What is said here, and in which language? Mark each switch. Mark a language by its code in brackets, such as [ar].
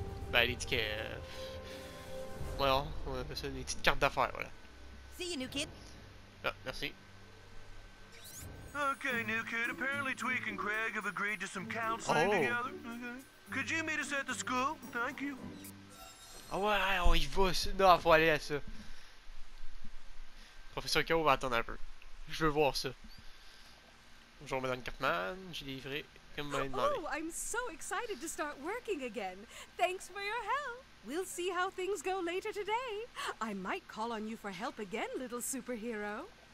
[fr] Bah, les tickets. Voilà, on appelle ça des petites cartes d'affaires, voilà. [en] See you, new kid. [fr] Ah, merci. [en] Okay, new kid. Apparently, Tweak and Craig have agreed to some counseling together. Okay. Could you meet us at the school? Thank you. [fr] Ah, oh, ouais, on y va. Non, faut aller à ça. Professeur K.O. va attendre un peu. Je veux voir ça. Bonjour Madame Cartman, j'ai livré comme vous m'avez demandé. [en] Oh, I'm so excited to start working again. Thanks for your help. We'll see how things go later today. I might call on you for help again, little superhero.